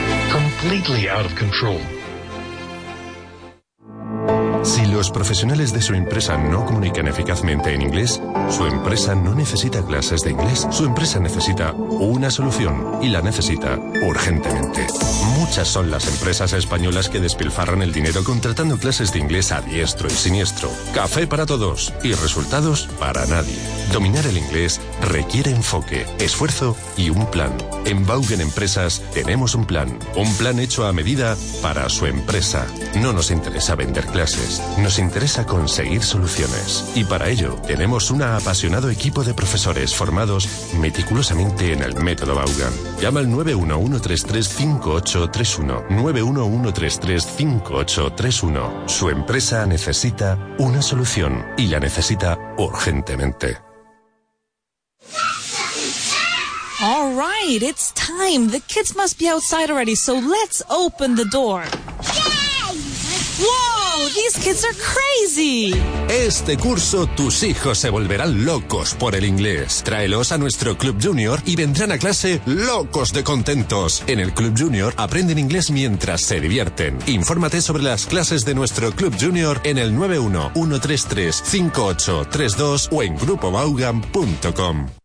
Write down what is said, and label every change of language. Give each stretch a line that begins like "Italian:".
English: Completely out of control.
Spanish: Si los profesionales de su empresa no comunican eficazmente en inglés, su empresa no necesita clases de inglés. Su empresa necesita una solución y la necesita urgentemente. Muchas son las empresas españolas que despilfarran el dinero contratando clases de inglés a diestro y siniestro. Café para todos y resultados para nadie. Dominar el inglés requiere enfoque, esfuerzo y un plan. En Vaughan Empresas tenemos un plan. Un plan hecho a medida para su empresa. No nos interesa vender clases. Nos interesa conseguir soluciones. Y para ello, tenemos un apasionado equipo de profesores formados meticulosamente en el método Vaughan. Llama al 911-335831. 911-335831. Su empresa necesita una solución y la necesita urgentemente.
English: All right, it's time. The kids must be outside already, so let's open the door. Yay! Whoa, these kids are crazy.
Spanish: Este curso tus hijos se volverán locos por el inglés. Tráelos a nuestro Club Junior y vendrán a clase locos de contentos. En el Club Junior aprenden inglés mientras se divierten. Infórmate sobre las clases de nuestro Club Junior en el 911-333-5832 o en grupovaughan.com.